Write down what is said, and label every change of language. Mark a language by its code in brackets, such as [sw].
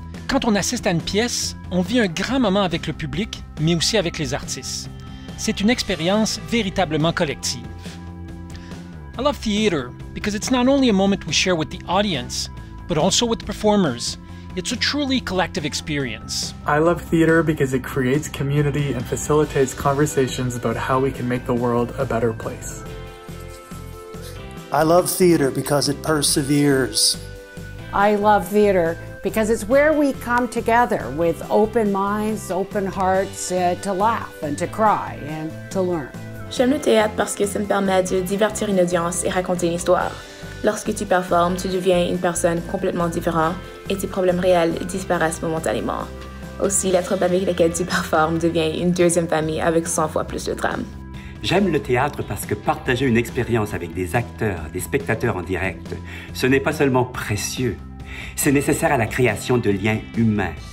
[fr] Quand on assiste à une pièce, on vit un grand moment avec le public, mais aussi avec les artistes. C'est une expérience véritablement collective. [en] I love theater because it's not only a moment we share with the audience, but also with the performers. It's a truly collective experience. I love theater because it creates community and facilitates conversations about how we can make the world a better place. I love theater because it perseveres. I love theater because it's where we come together with open minds, open hearts, to laugh and to cry and to learn. [fr] J'aime le théâtre parce que ça me permet de divertir une audience et raconter une histoire. Lorsque tu performes, tu deviens une personne complètement différente et tes problèmes réels disparaissent momentanément. Aussi, la troupe avec laquelle tu performes devient une deuxième famille avec 100 fois plus de drames. J'aime le théâtre parce que partager une expérience avec des acteurs, des spectateurs en direct, ce n'est pas seulement précieux, c'est nécessaire à la création de liens humains.